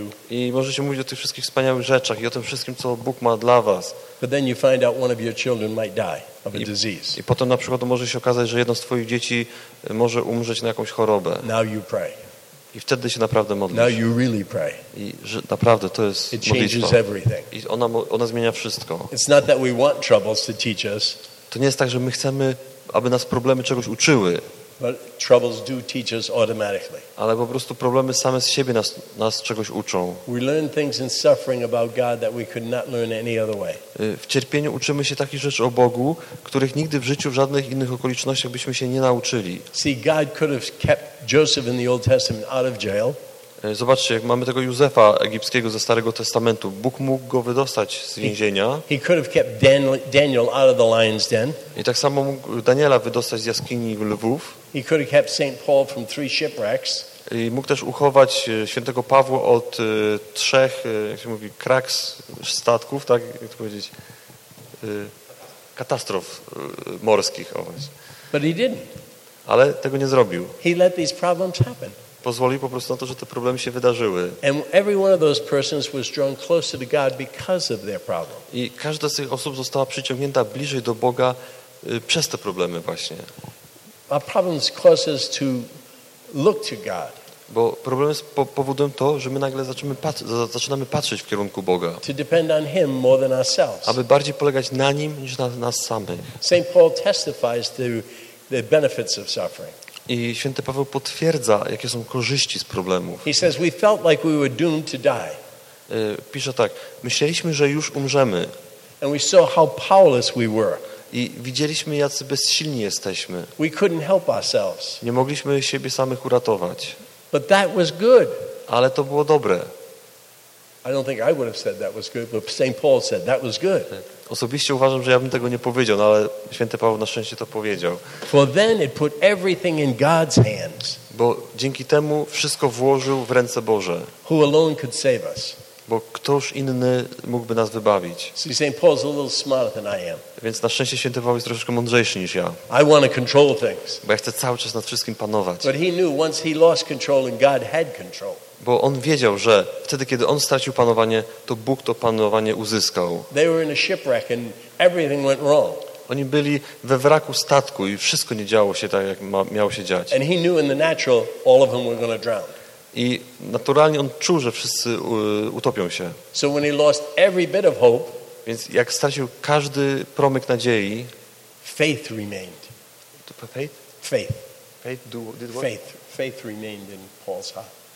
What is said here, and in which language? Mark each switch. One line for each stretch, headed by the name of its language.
Polish: I możecie mówić o tych wszystkich wspaniałych rzeczach i o tym wszystkim, co Bóg ma dla was.
English: But then you find out one of your children might die of a disease.
Polish: I potem na przykład może się okazać, że jedno z twoich dzieci może umrzeć na jakąś chorobę.
English: Now you pray.
Polish: I wtedy się naprawdę modlisz.
English: Now you really pray.
Polish: I że naprawdę to jest modlitwa.
English: It changes everything.
Polish: I ona zmienia wszystko.
English: It's not that we want troubles to teach us.
Polish: To nie jest tak, że my chcemy, aby nas problemy czegoś uczyły.
English: But troubles do teach us automatically.
Polish: Ale po prostu problemy same z siebie nas czegoś uczą.
English: We learn things in suffering about God that we could not learn any other way.
Polish: W cierpieniu uczymy się takich rzeczy o Bogu, których nigdy w życiu w żadnych innych okolicznościach byśmy się nie nauczyli.
English: See, God could have kept Joseph in the Old Testament out of jail.
Polish: Zobaczcie, jak mamy tego Józefa egipskiego ze Starego Testamentu. Bóg mógł go wydostać z więzienia.
English: He could have kept Daniel out of the lion's den.
Polish: I tak samo mógł Daniela wydostać z jaskini lwów.
English: He could have kept Saint Paul from three shipwrecks.
Polish: I mógł też uchować świętego Pawła od trzech, jak się mówi, kraks statków, tak? Jak to powiedzieć? Katastrof morskich.
English: But he didn't.
Polish: Ale tego nie zrobił.
English: He let these problems happen.
Polish: Pozwolił po prostu na to, że te problemy się wydarzyły.
English: And every one of those persons was drawn closer to God because of their problem.
Polish: I każda z tych osób została przyciągnięta bliżej do Boga przez te problemy właśnie.
English: Our problems cause us to look to God.
Polish: Bo problemy powodują to, że my nagle zaczynamy patrzeć w kierunku Boga.
English: To depend on Him more than ourselves.
Polish: Aby bardziej polegać na Nim niż na nas samych.
English: Saint Paul testifies to the benefits of suffering.
Polish: I święty Paweł potwierdza, jakie są korzyści z problemów.
English: He says we felt like we were doomed to die.
Polish: Pisze tak: myśleliśmy, że już umrzemy.
English: And we saw how powerless we were.
Polish: I widzieliśmy, jacy bezsilni jesteśmy.
English: We couldn't help ourselves.
Polish: Nie mogliśmy siebie samych uratować.
English: But that was good.
Polish: Ale to było dobre.
English: I don't think I would have said that was good, but St. Paul said that was good.
Polish: Osobiście uważam, że ja bym tego nie powiedział, no ale święty Paweł na szczęście to powiedział.
English: For then it put everything in God's hands.
Polish: Bo dzięki temu wszystko włożył w ręce Boże.
English: Who alone could save us?
Polish: Bo ktoś inny mógłby nas wybawić.
English: See, St. Paul's a little smarter than I am.
Polish: Więc na szczęście święty Paweł jest troszeczkę mądrzejszy niż ja.
English: I want to control things.
Polish: Bo ja chcę cały czas nad wszystkim panować.
English: But he knew once he lost control and God had control.
Polish: Bo on wiedział, że wtedy, kiedy on stracił panowanie, to Bóg to panowanie uzyskał.
English: They were in a shipwreck and everything went wrong.
Polish: Oni byli we wraku statku i wszystko nie działo się tak, jak miało się dziać.
English: And he knew in the natural all of them were going to drown.
Polish: I naturalnie on czuł, że wszyscy utopią się.
English: So when he lost every bit of hope,
Polish: więc jak stracił każdy promyk nadziei,
English: faith remained. Faith? Faith. Faith, did what? Faith remained in Paul's heart.